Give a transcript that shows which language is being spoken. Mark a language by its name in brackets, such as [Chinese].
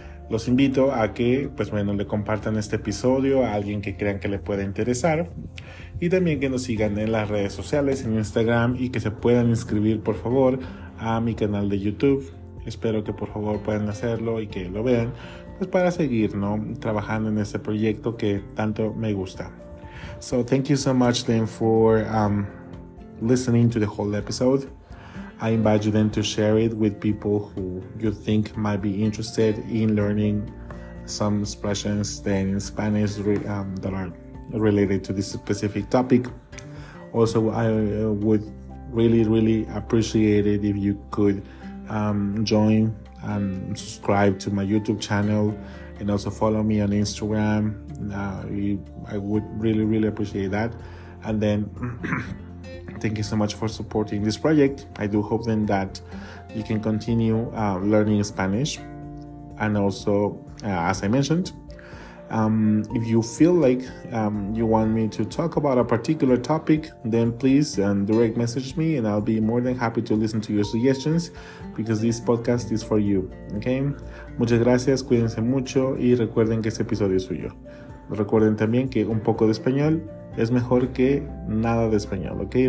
[Spanish] Los invito a que, pues bueno, le compartan este episodio a alguien que crean que le pueda interesar, y también que nos sigan en las redes sociales, en Instagram, y que se puedan inscribir, por favor, a mi canal de YouTube. Espero que por favor puedan hacerlo y que lo vean, pues para seguir, ¿no?, trabajando en este proyecto que tanto me gusta. [English] So thank you so much then for listening to the whole episode. I invite you then to share it with people who you think might be interested in learning some expressions then in Spanish that are related to this specific topic. Also, I would really, really appreciate it if you could join and subscribe to my YouTube channel, and also follow me on Instagram. I would really, really appreciate that. And then thank you so much for supporting this project. I do hope then that you can continue learning Spanish. And also, as I mentioned, if you feel like you want me to talk about a particular topic, then please direct message me, and I'll be more than happy to listen to your suggestions, because this podcast is for you, okay? [Spanish] Muchas gracias, cuídense mucho, y recuerden que este episodio es suyo. Recuerden también que un poco de español es mejor que nada de español, okay?